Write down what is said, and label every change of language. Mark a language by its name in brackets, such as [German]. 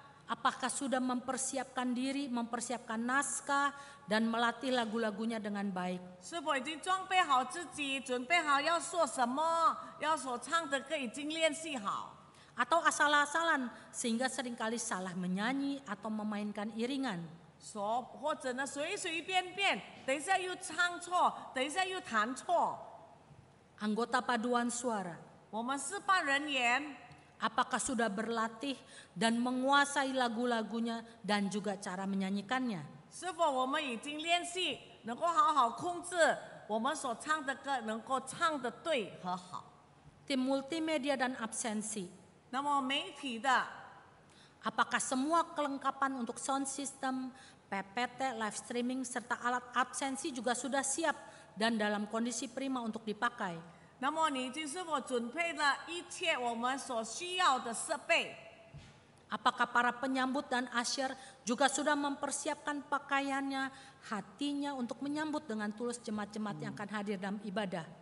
[Indonesian] apakah sudah mempersiapkan diri, mempersiapkan naskah, dan melatih lagu-lagunya dengan baik? [Chinese] 是否已经装备好自己, 准备好要说什么, 要说唱的歌已经练习好? [Indonesian] Atau asal-asalan, sehingga seringkali salah menyanyi atau memainkan iringan? [Chinese] 或者呢,随随便便, 等一下又唱错, 等一下又弹错。 [Indonesian] Anggota paduan suara, [Chinese] 我们示范人员, [Indonesian] apakah sudah berlatih dan menguasai lagu-lagunya dan juga cara menyanyikannya? [Chinese] 是否我们已经练习, 能够好好控制, 我们所唱的歌, 能够唱得对, 和好。 [Indonesian] Tim multimedia dan absensi, [Chinese] 那么媒体的, [Indonesian] apakah semua kelengkapan untuk sound system, PPT, live streaming, serta alat absensi juga sudah siap dan dalam kondisi prima untuk dipakai? [Chinese] 那么你已经是否准备了一切我们所需要的设备? [Indonesian] Apakah para penyambut dan asyir juga sudah mempersiapkan pakaiannya, hatinya untuk menyambut dengan tulus jemaat-jemaat yang akan hadir dalam ibadah?